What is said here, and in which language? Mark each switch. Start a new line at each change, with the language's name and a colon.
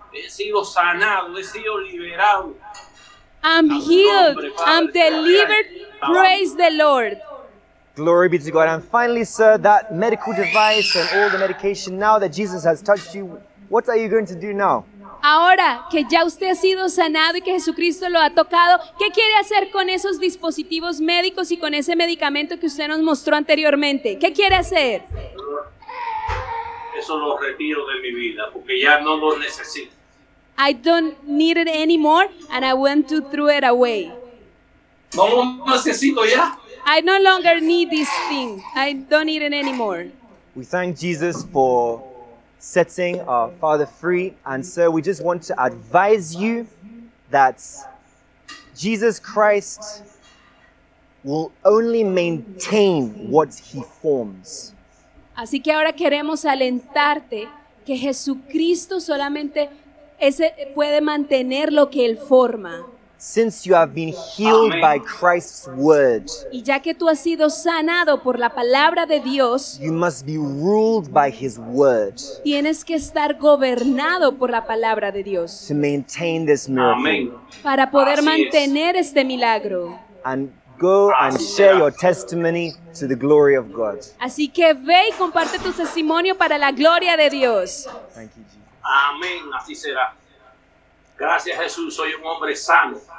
Spanish: He sido sanado, he sido liberado.
English: I'm healed, I'm delivered, praise the Lord. Glory be to God. And finally, sir, that medical device and all the medication, now that Jesus has touched you, what are you going to do now?
Spanish: Ahora que ya usted ha sido sanado y que Jesucristo lo ha tocado, ¿qué quiere hacer con esos dispositivos médicos y con ese medicamento que usted nos mostró anteriormente? ¿Qué quiere hacer? Eso lo retiro de mi vida porque ya no lo necesito.
English: I don't need it anymore and I want to throw it away.
Spanish: No lo necesito ya.
English: I no longer need this thing. I don't need it anymore. We thank Jesus for setting our father free, and sir, we just want to advise you that Jesus Christ will only maintain what he forms.
Spanish: Así que ahora queremos alentarte que Jesucristo solamente ese puede mantener lo que él forma.
English: Since you have been healed by Christ's word,
Spanish: y ya que tú has sido sanado por la palabra de Dios,
English: you must be ruled by his word.
Spanish: Tienes que estar gobernado por la palabra de Dios.
English: To maintain this miracle.
Spanish: Para poder mantener este milagro.
English: And go and share your testimony to the glory of God.
Spanish: Así que ve y comparte tu testimonio para la gloria de Dios.
English: Thank you, Jesus.
Spanish: Amén. Así será. Gracias, Jesús. Soy un hombre sano.